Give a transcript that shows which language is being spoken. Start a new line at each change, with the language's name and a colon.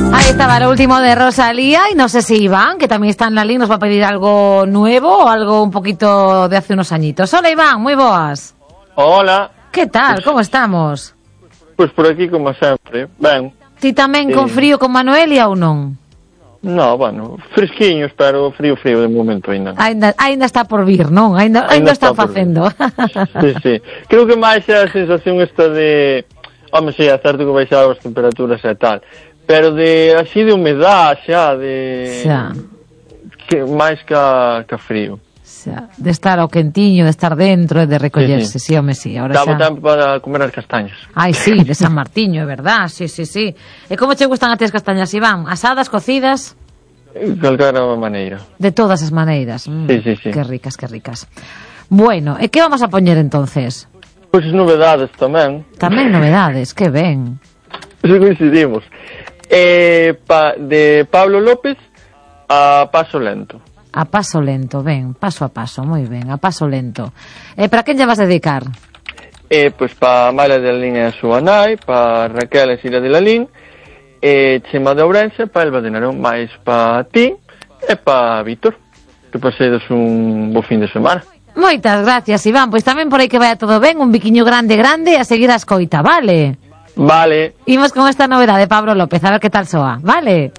Spanish: Estaba lo último de Rosalía y no sé si Iván, que también está en la línea, nos va a pedir algo nuevo o algo un poquito de hace unos añitos.
Galician: Hola Iván, muy boas. Hola.
Spanish: ¿Qué tal? Pues, ¿cómo estamos? Pues por aquí como siempre, ben.
Galician: ¿Ti también con frío con Manuelia o non? No, bueno, fresquinho, pero frío, frío de momento ainda. Ainda está por vir, non? Ainda está facendo. Sí, sí. Creo que máis é a sensación esta de... Home, sí, é certo que baixar as temperaturas e tal... Pero de así de humedad xa, de xa. Que máis que frío. Xa. De estar ao quentiño, de estar dentro e de recollerse, sí, sí. Sí, home, sí. Ahora dá xa... tempo para comer as castañas. Ai, sí, de San Martiño, é verdad, sí, sí, sí. E como che gustan a ti as castañas, Iván? Asadas, cocidas? De calquera maneira. De todas as maneiras. Sí, sí, sí. Que ricas, que ricas. Bueno, e que vamos a poñer entonces? Pois pues, novedades tamén. Tamén novedades, que ben. Si coincidimos. De Pablo López a Paso Lento. A Paso Lento, ben, paso a paso, moi ben, a Paso Lento. Para quen lle vas a dedicar? Pois para Amália de Lalín e a súa nai, para Raquel e Xira de Lalín, Chema de Ourense, para Elba de Narón, máis para ti e para Víctor. Que pasedes un bo fin de semana. Moitas gracias, Iván. Pois tamén por aí que vaya todo ben, un biquiño grande, grande, e a seguir a escoita, vale? Vale. Imos con esta novedad de Pablo López, a ver que tal soa, vale?